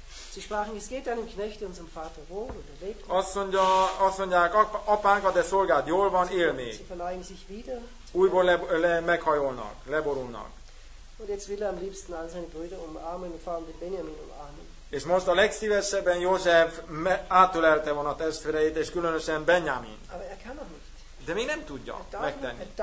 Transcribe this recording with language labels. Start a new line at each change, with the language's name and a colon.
German: Sie sprachen, es geht einem Knecht unserem Vater wohl, oder lebt.
Hungarian: Azt mondják, apánk, a te szolgád jól van, él még.
German: Sie verneigen sich wieder.
Hungarian: Újból meghajolnak, leborulnak.
German: Und jetzt will er am liebsten all seine Brüder umarmen, vor allem den Benjamin umarmen.
Hungarian: És most a legszívesebben József átölelte volna a testvéreit, és különösen Benjamin. De még nem tudja megtenni.